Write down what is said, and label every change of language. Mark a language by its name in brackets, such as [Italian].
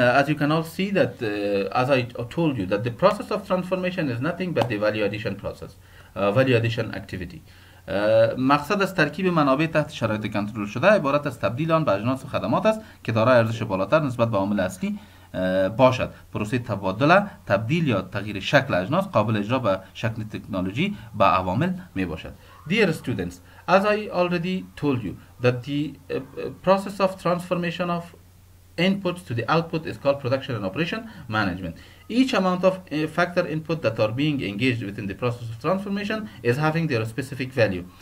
[English] As you can all see that, as I told you, that the process of transformation is nothing but the value addition process, value addition activity. [Persian] مقصد از ترکیب منابع تحت شرایط کنترل شده عبارت از تبدیل آن به اجناس و خدمات است که دارای ارزش بالاتر نسبت به عامل اصلی باشد. پروسه تبادل، تبدیل یا تغییر شکل اجناس قابل اجرا به شکل تکنولوژی به عوامل می باشد. [English] Dear students, as I already told you that the process of transformation of inputs to the output is called production and operation management. Each amount of factor input that are being engaged within the process of transformation is having their specific value.